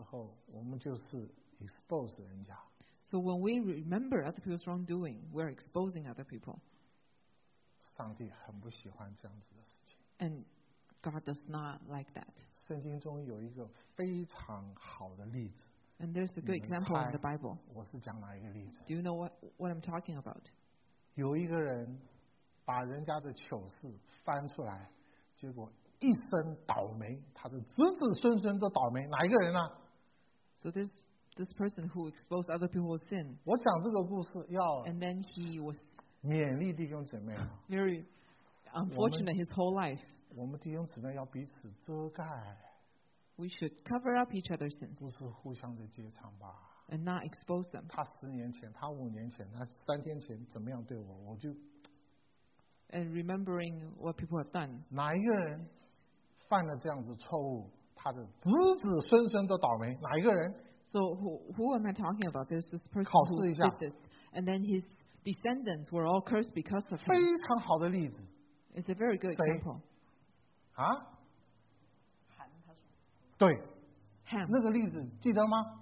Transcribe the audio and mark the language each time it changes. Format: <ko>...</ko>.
<zh>当我们互相算旧账的时候,翻老账,翻人家的疮疤的时候,我们就是expose人家。</zh> <en>So when we remember other people's wrongdoing, we are exposing other people.</en> <zh>上帝很不喜欢这样子的事情。</zh> <en>And God does not like that.</en> <zh>圣经中有一个非常好的例子。</zh> <en>And there's a good example in the Bible.</en> <zh>我是讲哪一个例子?</zh> <en>Do you know what I'm talking about?</en> <zh>有一个人把人家的糗事翻出来, 结果一生倒霉, 他的子子孙孙都倒霉, 哪一个人啊?</zh> <en>So there's this person who exposed other people's sin.</en> <zh>我讲这个故事要</zh> <en>And then he was</en> <zh>勉励弟兄姊妹,</zh> <en>very unfortunate his whole life.</en> <zh>我们弟兄姊妹要彼此遮盖,</zh> <en>we should cover up each other's sins.</en> <zh>不是互相的揭藏吧?</zh> <en>And not expose them.</en> <zh>他10年前, 他5年前, 他3天前, 怎么样对我, 我就,</zh> <en>and remembering what people have done.</en> <zh>哪一个人犯了这样子错误, 他的子子孙孙都倒霉, 哪一个人?</zh> <en>So who am I talking about? There's this person who did this. And then his descendants were all cursed because of him.</en> <zh>非常好的例子。</zh> <en>It's a very good example.</en> <zh>谁? 啊? 对,</zh> <en>Ham.</en> <zh>那个例子记得吗?</zh>